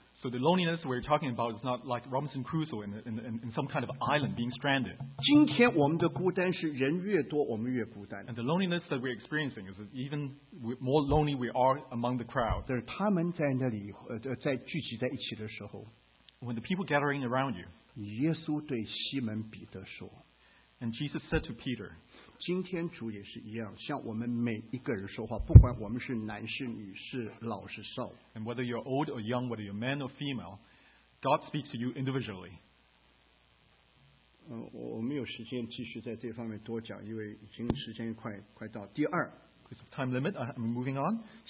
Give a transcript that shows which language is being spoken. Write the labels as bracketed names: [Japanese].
[English] So the loneliness we're talking about is not like Robinson Crusoe in some kind of island being stranded. [Chinese] 今天我们的孤单是人越多我们越孤单。 [English] And the loneliness that we're experiencing is even more lonely we are among the crowd. [Chinese] 就是他们在那里聚集在一起的时候。 [English] When the people gathering around you. [Chinese] 耶稣对西门彼得说。 [English] And Jesus said to Peter. [Chinese] 今天主也是一样，像我们每一个人说话，不管我们是男是女是老是少。 [English] And whether you're old or young, whether you're man or female, God speaks to you individually. [Chinese] 我没有时间继续在这方面多讲，因为已经时间快到第二。 [English] Because of time limit, I'm moving on.